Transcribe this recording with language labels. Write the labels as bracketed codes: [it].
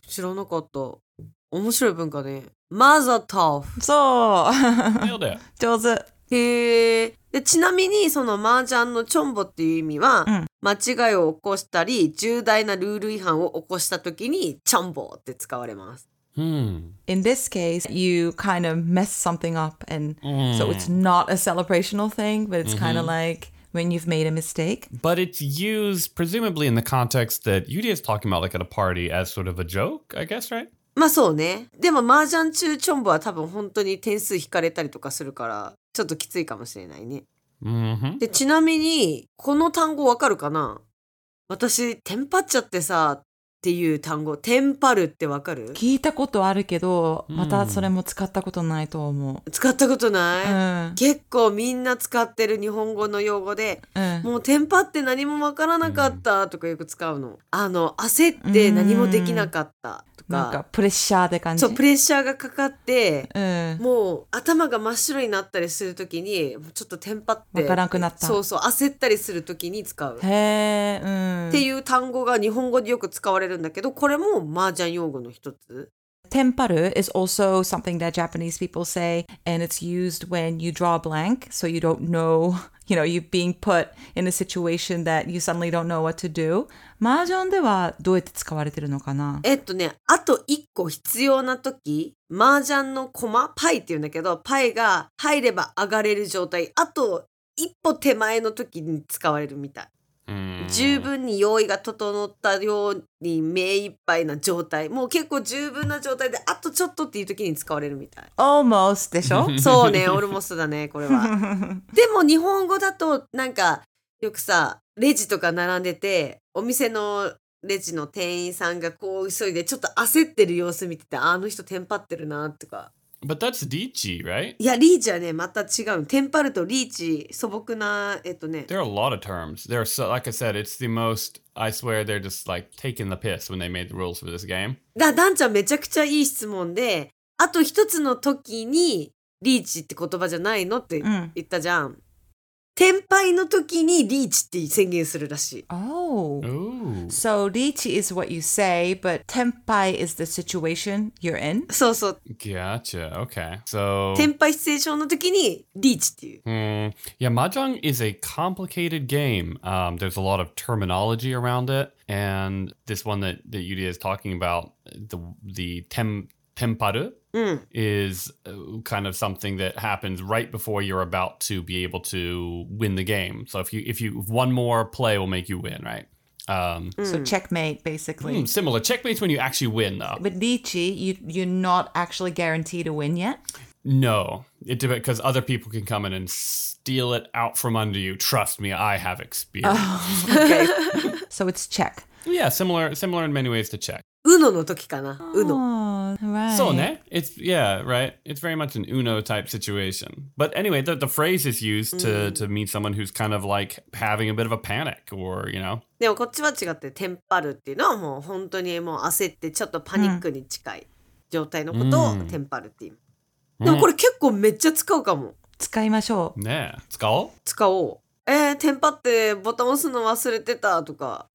[ja] 知らなかった。面白い文化ね。マザートフ。そう。上手。へえ。で、ちなみにそのマージャンのチョンボっていう意味は、間違いを起こしたり重大なルール違反を起こした時にチョンボって使われます。 [en] In this case, you kind of mess something up and so it's not a celebrational thing, but it's kind of like when you've made a mistake. But it's used presumably in the context that Yurie is talking about, like at a party, as sort of a joke, I guess, right? [ja] まあそうね。でも麻雀中チョンボは多分本当に点数引かれたりとかするから、ちょっときついかもしれないね。 Mm-hmm. で、ちなみに、この単語わかるかな？私、テンパっちゃってさ、っていう単語、テンパるってわかる？聞いたことあるけど、またそれも使ったことないと思う。使ったことない？結構みんな使ってる日本語の用語で、もうテンパって何もわからなかったとかよく使うの。焦って何もできなかったとか。なんかプレッシャーで感じ。そう、プレッシャーがかかって、もう頭が真っ白になったりするときに、ちょっとテンパって。わからなくなった。そうそう、焦ったりするときに使う。へー、っていう単語が日本語でよく使われるんだけど、これも麻雀用語の一つ。 [en] テンパル is also something that Japanese people say, and it's used when you draw a blank, so you don't know, you know, you're being put in a situation that you suddenly don't know what to do. [ja] 麻雀ではどうやって使われてるのかな？ね、あと一個必要な時、麻雀の駒、パイって言うんだけど、パイが入れば上がれる状態、あと一歩手前の時に使われるみたい。十分に用意が整ったように目いっぱいな状態、もう結構十分な状態であとちょっとっていう時に使われるみたい。 almost でしょ。そうね、 almost だねこれは。でも日本語だとなんかよくさ、レジとか並んでてお店のレジの店員さんがこう急いでちょっと焦ってる様子見てて、あの人テンパってるなとか。 [en] But that's リーチ, right? [ja] いや、リーチはねまた違う。テンパるとリーチ、素朴な、ね。 [en] There are a lot of terms. There are so, like I said, it's the most, I swear they're just like taking the piss when they made the rules for this game. [ja] だ、ダンちゃんめちゃくちゃいい質問で、あと一つの時にリーチって言葉じゃないのって言ったじゃん。うん、テンパイの時にリーチって宣言するらしい。 [en] Oh. So, reach is what you say, but tenpai is the situation you're in? [ja] そうそう。 [en] Gotcha. Okay. So, tenpai situation [ja] の時にリーチっていう。 [en] Yeah, Mahjong is a complicated game. There's a lot of terminology around it. And this one that Yurie is talking about, the tenparu. Is kind of something that happens right before you're about to be able to win the game. So if you one more play will make you win, right? So checkmate, basically. Similar. Checkmate's when you actually win, though. But Lichi, you're not actually guaranteed to win yet? No. It depends, because other people can come in and steal it out from under you. Trust me, I have experience. Oh, okay. So it's check. Yeah, similar in many ways to check. [ja] Uno の時かな。Uno. [en] Right. So, ne? It's, yeah, right? It's very much an Uno type situation. But anyway, the phrase is used to meet someone who's kind of like having a bit of a panic or, you know. [ja] でもこっちは違って、テンパるっていうのはもう本当にもう焦ってちょっとパニックに近い状態のことをテンパるっていう。でもこれ結構めっちゃ使うかも。使いましょう。ね、使おう。使おう。テンパってボタン押すの忘れてたとか。